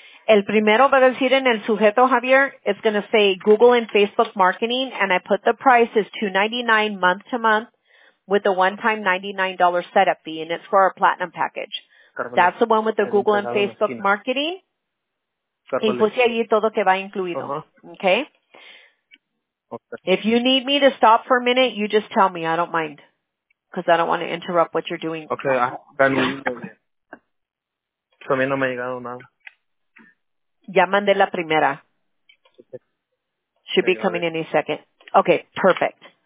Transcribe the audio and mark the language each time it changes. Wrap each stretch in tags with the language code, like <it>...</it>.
<es>El primero va a decir en el sujeto,</es> <en>Javier, it's going to say Google and Facebook marketing, and I put the price is $299 month to month with a one-time $99 setup fee, and it's for our platinum package. That's the one with the Google and Facebook marketing.</en> <es>Y puse allí todo que va incluido, okay?</es> <en>If you need me to stop for a minute, you just tell me. I don't mind because I don't want to interrupt what you're doing. Okay, I'm going to</en> <es>me no me ha llegado nada. Ya mandé la primera.</es> <en>Should be coming any second. Okay, perfect.</en>